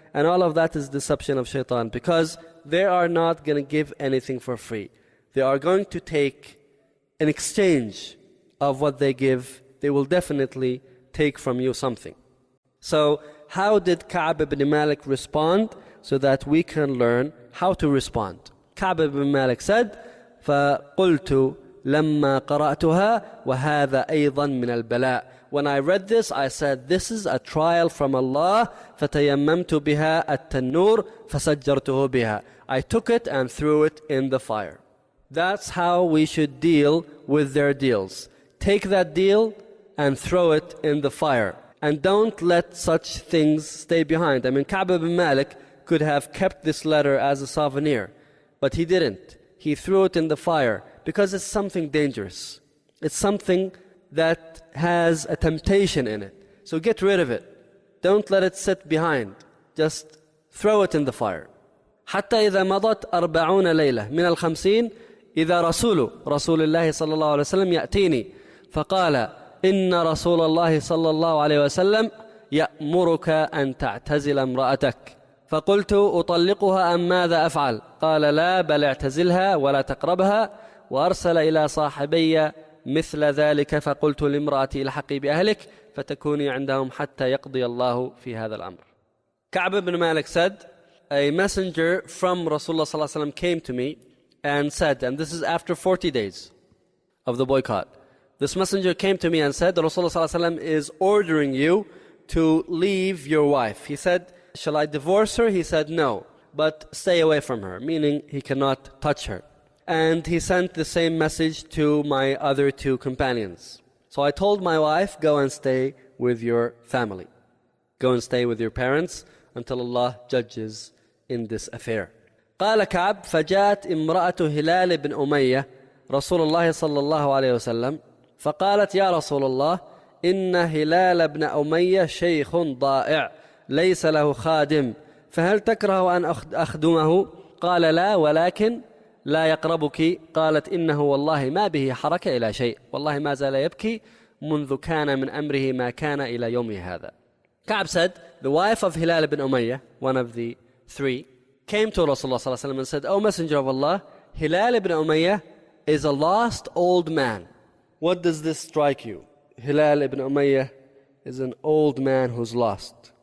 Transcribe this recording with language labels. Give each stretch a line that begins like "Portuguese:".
English: And all of that is deception of Shaitan, because they are not going to give anything for free. They are going to take an exchange of what they give. They will definitely take from you something. So how did Ka'b ibn Malik respond, so that we can learn how to respond? Ka'b ibn Malik said,
Arabic: فَقُلْتُ لَمَّا قَرَأْتُهَا وَهَذَا أَيْضًا مِنَ الْبَلَاءِ.
English: When I read this, I said, this is a trial from Allah.
Arabic: فَتَيَمَّمْتُ بِهَا التَّنُّورِ فَسَجَّرْتُهُ بِهَا.
English: I took it and threw it in the fire. That's how we should deal with their deals. Take that deal and throw it in the fire. And don't let such things stay behind. I mean, Ka'b ibn Malik could have kept this letter as a souvenir, but he didn't. He threw it in the fire because it's something dangerous. It's something that has a temptation in it. So get rid of it. Don't let it sit behind. Just throw it in the fire.
Arabic: حتى إذا مضت أربعون ليلة من الخمسين إذا رسوله رسول الله صلى الله عليه وسلم يأتيني فقال إن رسول الله صلى الله عليه وسلم يأمرك أن تعتزل امرأتك فقلت أطلقها أم ماذا أفعل قال لا بل اعتزلها ولا تقربها وأرسل إلى صاحبي مثل ذلك فقلت لامرأتي الحقي بأهلك فتكوني عندهم حتى يقضي الله في هذا الأمر.
English: كعب بن مالك said, a messenger from Rasulullah صلى الله عليه وسلم came to me and said, and this is after 40 days of the boycott, this messenger came to me and said, Rasulullah ﷺ is ordering you to leave your wife. He said, shall I divorce her? He said, no, but stay away from her, meaning he cannot touch her. And he sent the same message to my other two companions. So I told my wife, go and stay with your family. Go and stay with your parents until Allah judges in this affair.
Arabic: قال كعب فجاءت امرأة هلال بن أمية رسول الله صلى الله عليه وسلم فقالت يا رسول الله إن هلال بن أمية شيخ ضائع ليس له خادم فهل تكره أن أخدمه قال لا ولكن لا يقربك قالت إنه والله ما به حركة إلى شيء والله ما زال يبكي منذ كان من أمره ما كان إلى يومي هذا.
English: كعب said, the wife of Hilal ibn Umayyah, one of the three, came to Rasulullah ﷺ and said, O Messenger of Allah, Hilal ibn Umayyah is a lost old man. What does this strike you? Hilal ibn Umayyah is an old man who's lost.